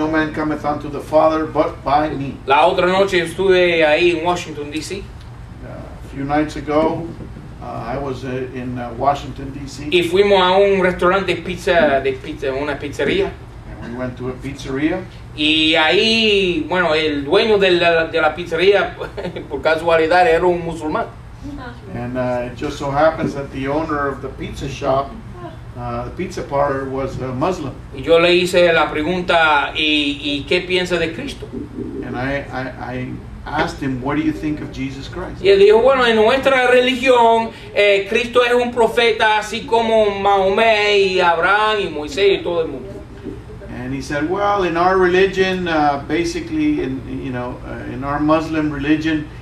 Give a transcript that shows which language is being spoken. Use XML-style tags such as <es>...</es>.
<en>No man cometh unto the Father but by me.</en> <es>La otra noche estuve ahí en Washington, D.C.</es> <en>A few nights ago, I was in Washington, D.C.</en> <es>Y fuimos a un restaurante de pizza, una pizzería.</es> <en>And we went to a pizzeria.</en> <es>Y ahí, bueno, el dueño de la pizzería, por casualidad, era un musulmán.</es> <en>And it just so happens that the owner of the pizza shop, the pizza parlor, was a Muslim.</en> <es>Y yo le hice la pregunta, ¿y qué piensa de Cristo?</es> <en>And I asked him, what do you think of Jesus Christ?</en> <es>Y él dijo, bueno, en nuestra religión, Cristo es un profeta, así como Mahomet y Abraham y Moisés y todo el mundo.</es> <en>And he said, well, in our religion, basically, in our Muslim religion,</en>